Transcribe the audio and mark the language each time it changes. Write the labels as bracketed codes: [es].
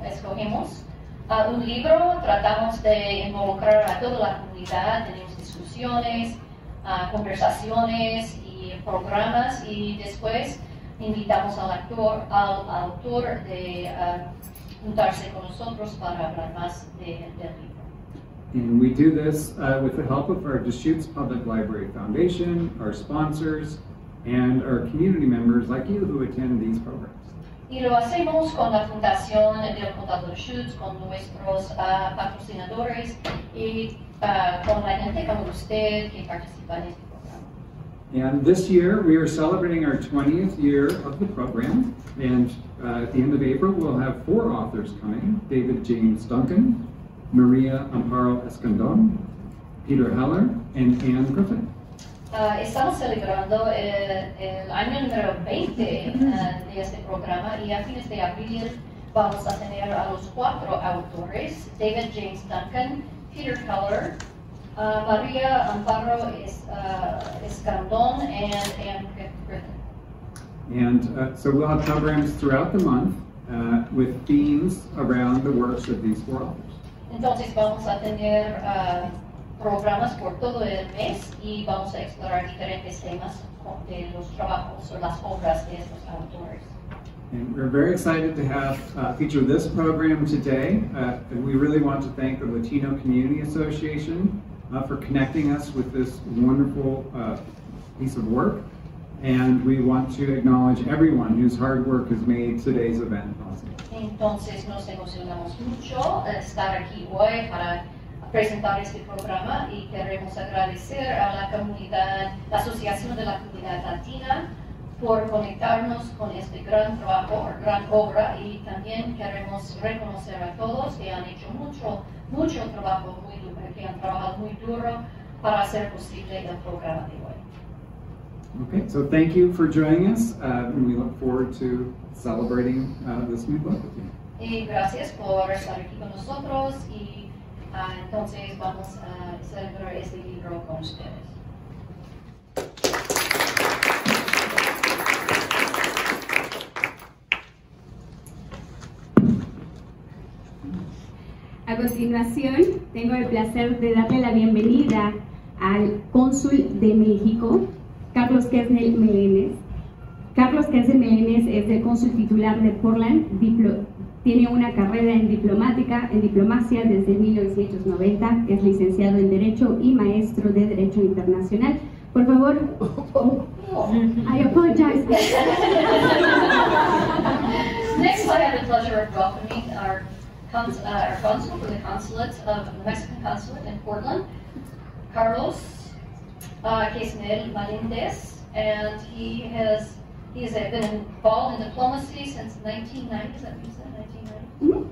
[es] Escogemos un libro, tratamos de involucrar a toda la comunidad, tenemos discusiones, conversaciones, programas, y después invitamos al actor, al autor de juntarse con nosotros para hablar más del libro. [en] And we do this with the help of our Deschutes Public Library Foundation, our sponsors, and our community members like you who attend these programs. [es] Y lo hacemos con la Fundación del Condado de Deschutes, con nuestros patrocinadores, y con la gente como usted que participa en este. [en] And this year, we are celebrating our 20th year of the program, and at the end of April, we'll have four authors coming: David James Duncan, Maria Amparo Escandón, Peter Heller, and Anne Griffin. [es] Estamos celebrando el año número 20 de este programa, y a fines de abril vamos a tener a los cuatro autores: David James Duncan, Peter Heller, Maria Amparo Escandón, and Anne Griffin. [en] And so we'll have programs throughout the month with themes around the works of these four authors. [es] Entonces vamos a tener programas por todo el mes y vamos a explorar diferentes temas de los trabajos o las obras de estos autores. [en] And we're very excited to have feature this program today. And we really want to thank the Latino Community Association for connecting us with this wonderful piece of work. And we want to acknowledge everyone whose hard work has made today's event possible. [es] Entonces nos emocionamos mucho estar aquí hoy para presentar este programa y queremos agradecer a la comunidad, la Asociación de la Comunidad Latina por conectarnos con este gran trabajo, gran obra, y también queremos reconocer a todos que han hecho mucho, mucho trabajo, muy duro, que han trabajado muy duro para hacer posible el programa de hoy. [en] Okay, so thank you for joining us, and we look forward to celebrating this new book with you. [es] Y gracias por estar aquí con nosotros, y entonces vamos a celebrar este libro con ustedes. A continuación, tengo el placer de darle la bienvenida al cónsul de México, Carlos Kessel Meléndez. Carlos Kessel Meléndez es el cónsul titular de Portland, tiene una carrera en diplomática, en diplomacia desde 1990, es licenciado en Derecho y maestro de Derecho Internacional. Por favor, [en] I apologize. Next, I have the pleasure of welcoming our cónsul, from the consulate of Mexican consulate in Portland, Carlos Kessel Meléndez, and he has been involved in diplomacy since 1990, is that what you said, 1990?